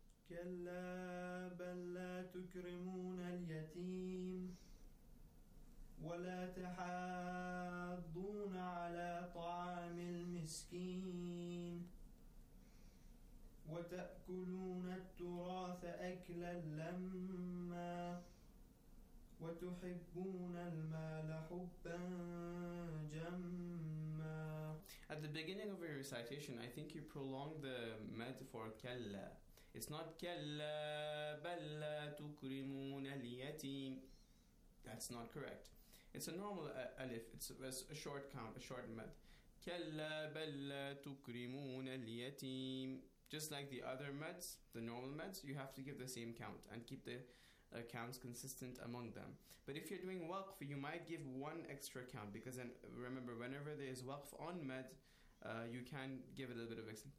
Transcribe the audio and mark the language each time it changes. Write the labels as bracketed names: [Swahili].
[Arabic] كلا بل لا تكرمون اليتيم ولا تحاضون على طعام المسكين وتأكلون التراث أكلا لما وتحبون المال حبا جما. [English] At the beginning of your recitation, I think you prolonged the metaphor كلا. It's not [Arabic] كَلَّا بَلَّا تُكْرِمُونَ الْيَتِيمِ. [English] That's not correct. It's a normal alif. It's a short count, a short mad. [Arabic] كَلَّا بَلَّا تُكْرِمُونَ الْيَتِيمِ. [English] Just like the other mads, the normal mads, you have to give the same count and keep the counts consistent among them. But if you're doing waqf, you might give one extra count, because then remember, whenever there is waqf on mad, you can give it a little bit of extra.